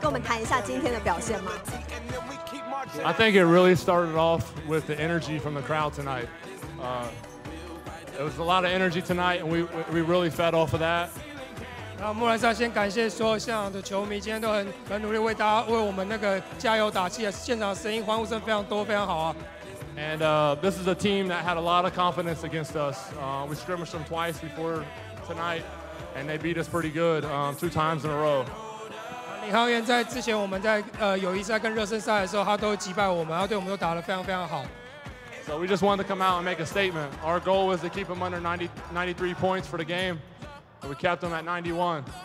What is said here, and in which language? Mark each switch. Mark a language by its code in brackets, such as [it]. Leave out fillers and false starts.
[en] I think it really started off with the energy from the crowd tonight. It was a lot of energy tonight, and we really fed off of that. [zh] 那莫兰莎先感谢说，现场的球迷今天都很努力为大家为我们那个加油打气，现场声音欢呼声非常多，非常好啊。 [en] And this is a team that had a lot of confidence against us. We scrimmaged them twice before tonight, and they beat us pretty good two times in a row. [zh] 领航员在之前我们在友谊赛跟热身赛的时候，他都击败我们，然后对我们都打得非常非常好。 [en] So we just wanted to come out and make a statement. Our goal was to keep them under 93 points for the game, and we kept them at 91.